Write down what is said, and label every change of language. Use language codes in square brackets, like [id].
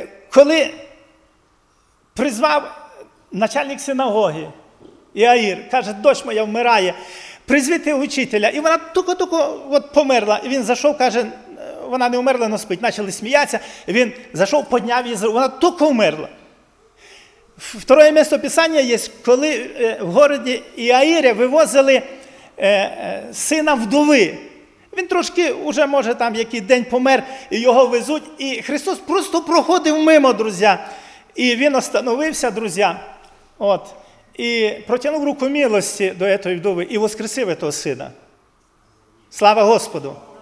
[uk] Коли призвав начальник синагоги Іаїр, каже, дочь моя вмирає, призвіть учителя. І вона тільки-тільки от померла. І він зайшов, каже, вона не вмерла, але спить. Почали сміятися. Він зайшов, підняв її, вона тільки вмерла. [ru] Второе место Писания есть, когда в городе Иаире вывозили сына вдовы. [uk] Він трошки уже, може, там який день помер, і його везуть. І Христос просто проходив мимо, друзі. І він остановився, друзі. От. І протягнув руку милості до цієї вдови і воскресив цього сина. Слава Господу!